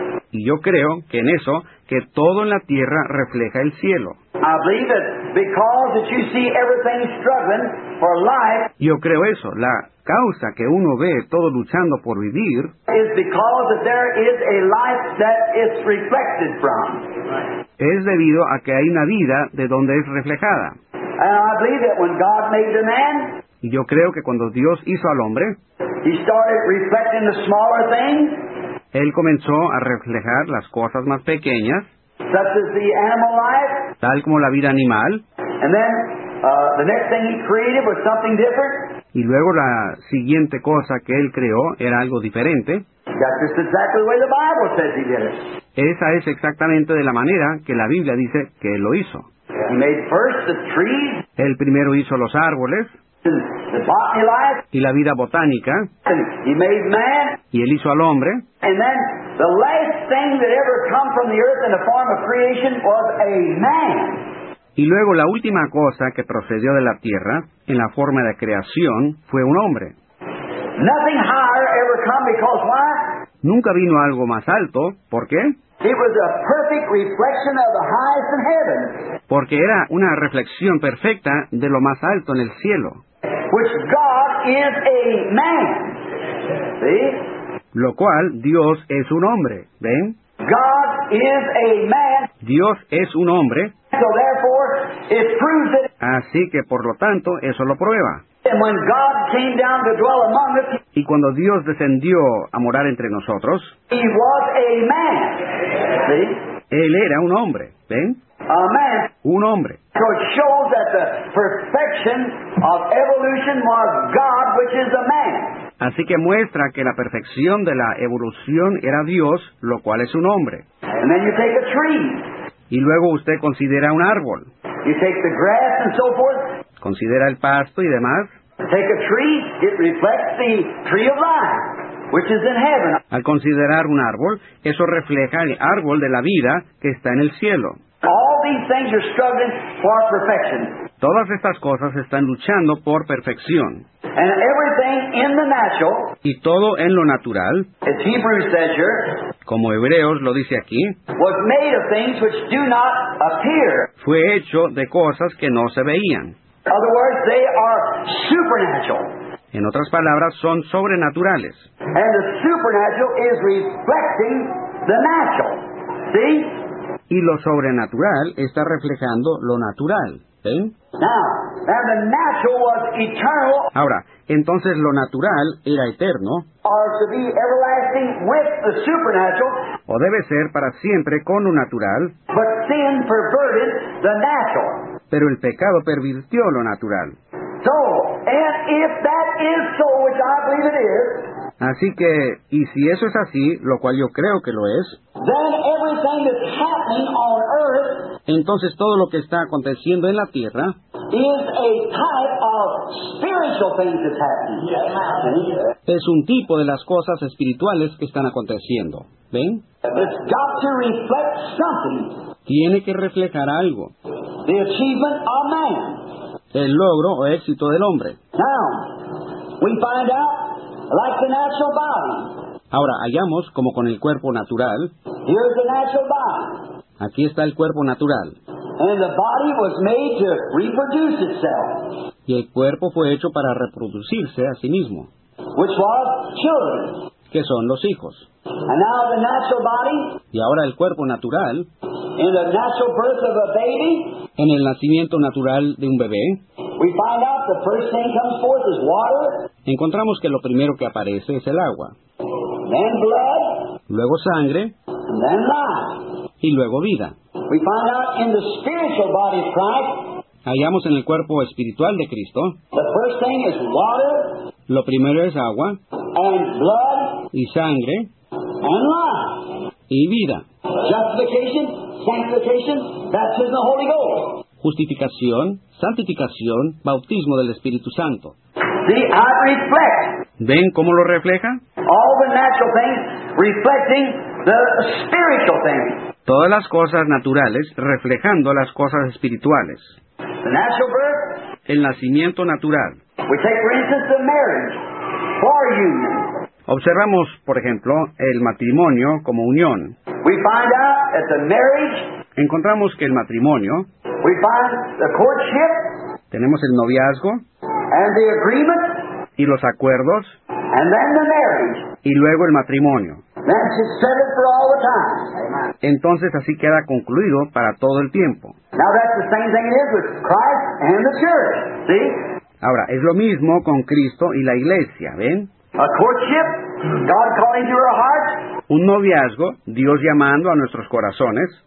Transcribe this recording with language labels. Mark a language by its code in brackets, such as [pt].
[es] Y yo creo que en eso, que todo en la tierra refleja el cielo. [en] I believe that because that you see everything struggling for life. [es] Yo creo eso. La causa que uno ve todo luchando por vivir [en] is because that there is a life that is reflected from. [es] Es debido a que hay una vida de donde es reflejada. [en] And I believe that when God made the man. [es] Y yo creo que cuando Dios hizo al hombre, [en] he started reflecting the smaller things. [es] Él comenzó a reflejar las cosas más pequeñas. [en] Such as the animal life. [es] Tal como la vida animal. [en] And then, the next thing he created was something different. [es] Y luego la siguiente cosa que él creó era algo diferente. [en] That's just exactly the way the Bible says he did it. [es] Esa es exactamente de la manera que la Biblia dice que él lo hizo. [en] He made first the trees. [es] Él primero hizo los árboles. [en] The botany life. [es] Y la vida botánica. [en] And he made man. [es] Y él hizo al hombre. [en] And then, the last thing that ever come from the earth in the form of creation was a man. [es] Y luego la última cosa que procedió de la tierra en la forma de creación fue un hombre. [en] Nothing higher ever come because why? [es] Nunca vino algo más alto. ¿Por qué? [en] It was a perfect reflection of the highest in heaven. [es] Porque era una reflexión perfecta de lo más alto en el cielo. [en] Which God is a man. See? [es] Lo cual, Dios es un hombre. ¿Ven? [en] God is a man. [es] Dios es un hombre. [en] So therefore, it proves it. [es] Así que, por lo tanto, eso lo prueba. [en] And when God came down to dwell among us, [es] y cuando Dios descendió a morar entre nosotros, [en] he was a man. See? [es] Él era un hombre. ¿Ven? [en] A man. [es] Un hombre. [en] So it shows that the perfection of evolution was God, which is a man. [es] Así que muestra que la perfección de la evolución era Dios, lo cual es un hombre. [en] And then you take a tree. [es] Y luego usted considera un árbol. [en] You take the grass and so forth. [es] Considera el pasto y demás. [en] Take a tree, it reflects the tree of life, which is in heaven. [es] Al considerar un árbol, eso refleja el árbol de la vida que está en el cielo. [en] All these things are struggling for perfection. [es] Todas estas cosas están luchando por perfección. [en] And everything in the natural, [es] y todo en lo natural, [en] as Hebrews says here, [es] como Hebreos lo dice aquí, [en] was made of things which do not appear. [es] Fue hecho de cosas que no se veían. [en] In other words, they are supernatural. [es] En otras palabras, son sobrenaturales. [en] And the supernatural is reflecting the natural. See? [es] Y lo sobrenatural está reflejando lo natural. ¿Ven? [en] Now, and the natural was eternal. [es] Ahora, entonces lo natural era eterno. [en] Or to be everlasting with the supernatural. [es] O debe ser para siempre con lo natural. [en] But sin perverted the natural. [es] Pero el pecado pervirtió lo natural. [en] So, and if that is so, which I believe it is. [es] Así que, y si eso es así, lo cual yo creo que lo es, [en] then everything that's happening on earth, [es] entonces todo lo que está aconteciendo en la tierra [en] is a type of spiritual things that's happening. [es] Es un tipo de las cosas espirituales que están aconteciendo. ¿Ven? [en] It's got to reflect something. [es] Tiene que reflejar algo. [en] The achievement of man. [es] El logro o éxito del hombre. [en] Now, we find out. Like the natural body. [es] Ahora, hallamos como con el cuerpo natural. [en] Here's the natural body. [es] Aquí está el cuerpo natural. [en] And the body was made to reproduce itself. [es] Y el cuerpo fue hecho para reproducirse a sí mismo. [en] Which was children. [es] Que son los hijos. [en] And now the natural body. [es] Y ahora el cuerpo natural. [en] In the natural birth of a baby. [es] En el nacimiento natural de un bebé. [en] We find out the first thing comes forth is water. [es] Encontramos que lo primero que aparece es el agua. [en] Then blood. [es] Luego sangre. [en] And then life. [es] Y luego vida. [en] We find out in the spiritual body of Christ. [es] hallamos en el cuerpo espiritual de Cristo. [en] The first thing is water, [es] lo primero es agua, [en] and blood, [es] y sangre, [en] and life, [es] y vida. [en] Justification, sanctification, baptism of the Holy Ghost. [es] Justificación, santificación, bautismo del Espíritu Santo. [en] See, I reflect. [es] ¿Ven cómo lo refleja? [en] All the natural things reflecting the spiritual things. [es] Todas las cosas naturales reflejando las cosas espirituales. [en] The natural birth, [es] el nacimiento natural. [en] We take, for instance, the marriage, for union. [es] Observamos, por ejemplo, el matrimonio como unión. [en] We find out that the marriage, [es] encontramos que el matrimonio, [en] we find the courtship, [es] tenemos el noviazgo, [en] and the agreement, [es] y los acuerdos, [en] and then the marriage, [es] y luego el matrimonio. [en] That's just set it for all the time. [es] Entonces así queda concluido para todo el tiempo. [en] Now that's the same thing it is with Christ and the church. See? [es] Ahora, es lo mismo con Cristo y la iglesia, ¿ven? [en] A courtship, God calling to our hearts. [es] Un noviazgo, Dios llamando a nuestros corazones.